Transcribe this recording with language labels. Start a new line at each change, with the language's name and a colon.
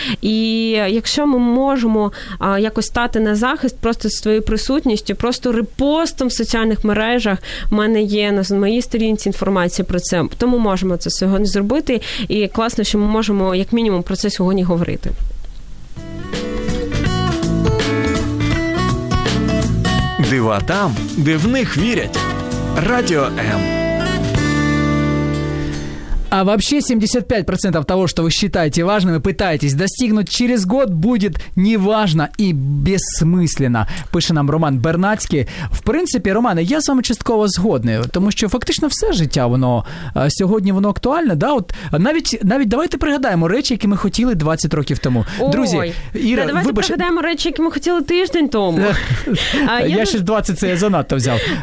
Ukrainian: І якщо ми можемо якось стати на захист просто з своєю присутністю, просто репостом в соціальних мережах, в мене є на моїй сторінці інформація про це, то ми можемо це сьогодні зробити, і класно, що ми можемо, як мінімум, про це сьогодні говорити. Дива там, де в них вірять. Радіо М.
Russian: А вообще 75% того, что вы считаете важным и пытаетесь достигнуть через год, будет неважно и бессмысленно,
Ukrainian: пише нам
Russian: Роман Бернацький.
Ukrainian: В принципі, Романе, я з вами частково згодний, тому що фактично все життя, воно сьогодні воно актуальне. Да? От, навіть давайте пригадаємо речі, які ми хотіли 20 років тому. Ой, друзі, Іра, давайте вибач... пригадаємо речі, які ми хотіли тиждень тому. Я ще 20, це я занадто взяв.